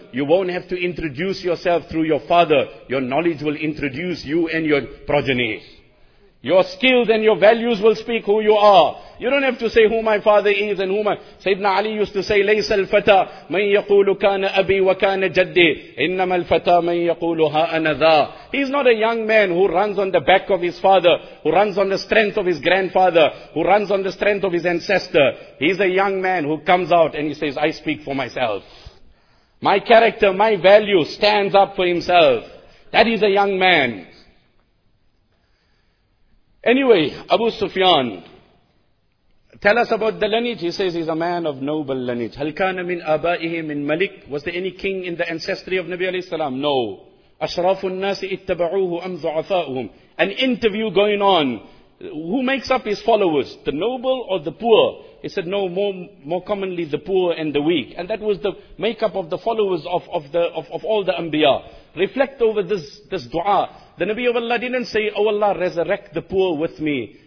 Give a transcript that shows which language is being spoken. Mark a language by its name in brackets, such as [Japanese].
[English] You won't have to introduce yourself through your father. Your knowledge will introduce you and your progeny. Your skills and your values will speak who you are. You don't have to say who my father is and who my... Sayyidina Ali used to say, [Arabic] لَيْسَ الْفَتَى مَنْ يَقُولُ كَانَ أَبِي وَكَانَ جَدِّي إِنَّمَا الْفَتَى مَنْ يَقُولُ هَا أَنَا ذَا. [English] He's not a young man who runs on the back of his father, who runs on the strength of his grandfather, who runs on the strength of his ancestor. He's a young man who comes out and he says, I speak for myself. My character, my value stands up for himself. That is a young man. Anyway, Abu Sufyan, tell us about the lineage. He says he's a man of noble lineage. [Arabic] هَلْ كَانَ مِنْ أَبَائِهِ مِنْ مَلِكِ. [English] Was there any king in the ancestry of Nabi alayhi salam? No. [Arabic] أشرف الناس اتبعوه أم ضعفاؤهم. [English] An interview going on. Who makes up his followers? The noble or the poor? He said, no, more commonly the poor and the weak. And that was the makeup of the followers of all the Anbiya. Reflect over this dua. The Nabi of Allah didn't say, oh Allah, resurrect the poor with me.